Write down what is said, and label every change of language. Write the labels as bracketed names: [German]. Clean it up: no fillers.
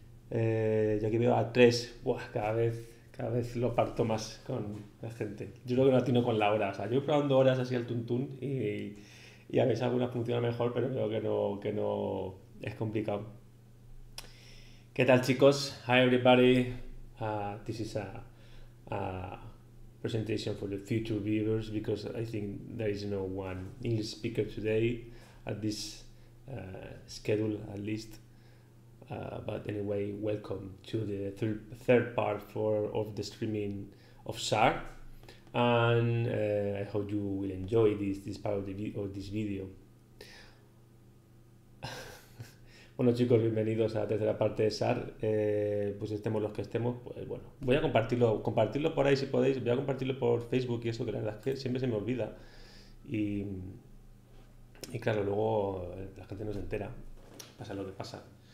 [Spanish] Yo aquí veo a tres. Buah, cada vez lo parto más con la gente. Yo creo que no atino con la hora. O sea, yo probando horas así al tuntún y a veces alguna funciona mejor, pero creo que no es complicado. ¿Qué tal, chicos? [English] Hi, everybody. This is a presentation for the future viewers because I think there is no one English speaker today at this schedule at least. But anyway, welcome to the third part of the streaming of Shark, and I hope you will enjoy this part of this video. [Spanish] Bueno, chicos, bienvenidos a la tercera parte de SAR. Pues estemos los que estemos, pues bueno, voy a compartirlo por ahí si podéis. Voy a compartirlo por Facebook y eso, que la verdad es que siempre se me olvida. Y claro, luego la gente no se entera, pasa lo que pasa.